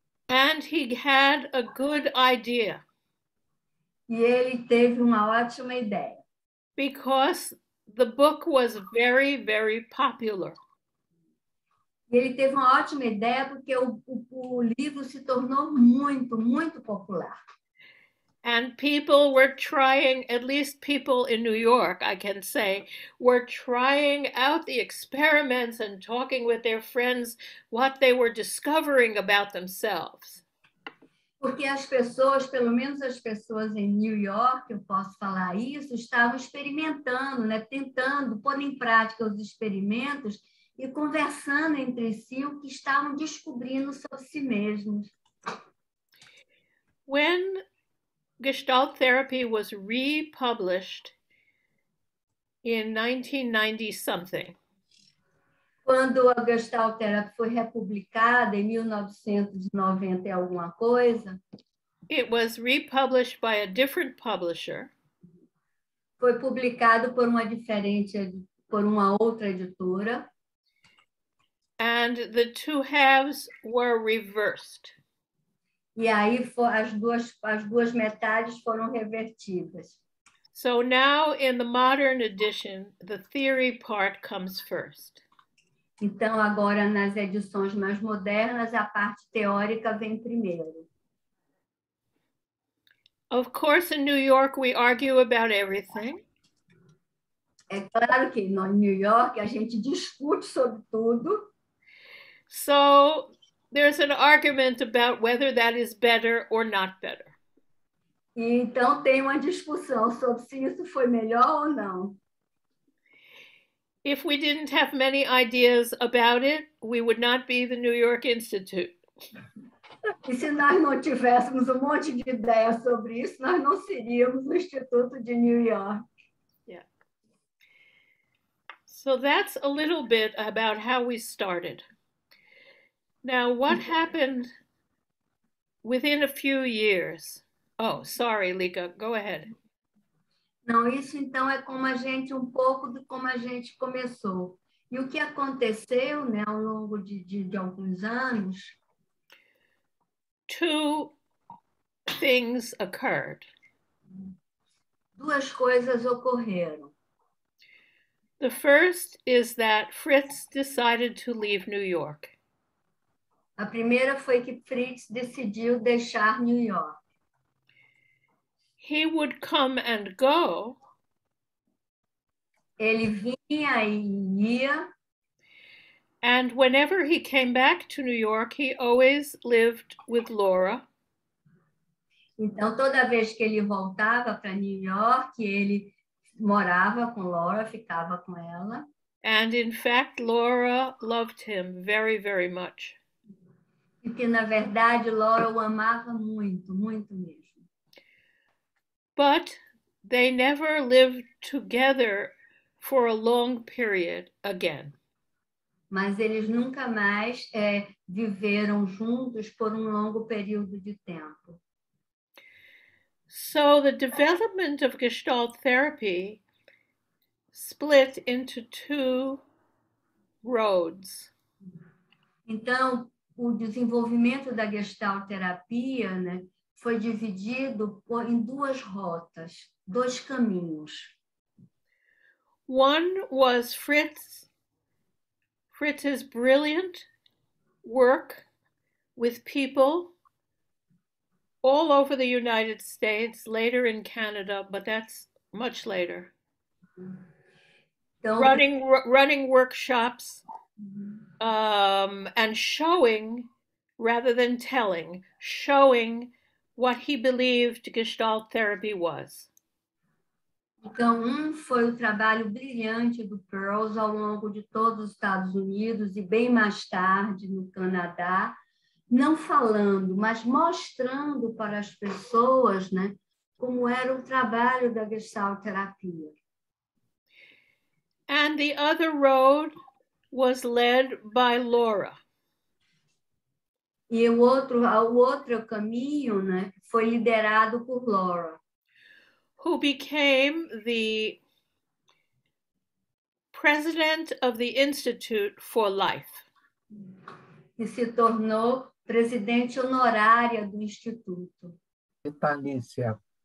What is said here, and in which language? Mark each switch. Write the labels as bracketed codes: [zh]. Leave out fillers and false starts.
[en] And he had a good idea. [pt] E ele teve uma ótima ideia. [en] Because the book was very, very popular. [pt] E ele teve uma ótima ideia porque o livro se tornou muito, muito popular. [en] And people were trying, at least people in New York, I can say, were trying out the experiments and talking with their friends what they were discovering about themselves. [pt] Porque as pessoas, pelo menos as pessoas em New York, eu posso falar isso, estavam experimentando, né, tentando, pondo em prática os experimentos e conversando entre si o que estavam descobrindo sobre si mesmos. [en] When Gestalt therapy was republished in 1990-something. [pt] Quando a Gestalt therapy foi republicada em 1990 alguma coisa. [en] It was republished by a different publisher. [pt] Foi publicado por uma diferente, por uma outra editora. [en] And the two halves were reversed. [pt] E aí for, as duas metades foram revertidas. [en] So now in the modern edition, the theory part comes first. [pt] Então agora nas edições mais modernas, a parte teórica vem primeiro. [en] Of course, in New York we argue about everything. [pt] É claro que em New York a gente discute sobre tudo. [en] So there's an argument about whether that is better or not better. [pt] Então tem uma discussão sobre se isso foi melhor ou não. [en] If we didn't have many ideas about it, we would not be the New York Institute. [pt] E se nós não tivéssemos um monte de ideias sobre isso, nós não seríamos o Instituto de New York. [en] Yeah. So that's a little bit about how we started. Now, what happened within a few years? Oh, sorry, Lika, go ahead. [pt] Não, isso então é como a gente, um pouco de como a gente começou. E o que aconteceu, né, ao longo de alguns anos? [en] Two things occurred. [pt] Duas coisas ocorreram. [en] The first is that Fritz decided to leave New York. [pt] A primeira foi que Fritz decidiu deixar New York. [en] He would come and go. [pt] Ele vinha e ia. [en] And whenever he came back to New York, he always lived with Laura. [pt] Então, toda vez que ele voltava para New York, ele morava com Laura, ficava com ela. [en] And in fact, Laura loved him very, very much. [pt] Porque, na verdade, Laura o amava muito, muito mesmo. [en] But they never lived together for a long period again. [pt] Mas eles nunca mais viveram juntos por um longo período de tempo. [en] So the development of Gestalt therapy split into two roads. [pt] Então, o desenvolvimento da Gestalt terapia, né, foi dividido em duas rotas, dois caminhos. [en] One was Fritz's brilliant work with people all over the United States, later in Canada, but that's much later. Então, running workshops and showing rather than telling, showing what he believed Gestalt therapy was. [pt] Então, foi o trabalho brilhante do Pearls ao longo de todos os Estados Unidos e bem mais tarde no Canadá, não falando, mas mostrando para as pessoas, né, como era o trabalho da Gestalt terapia. [en] And the other road was led by Laura. [pt] E o outro caminho, né, foi liderado por Laura. [en] Who became the president of the Institute for Life. [pt] E se tornou presidente honorária do Instituto. Vitalícia.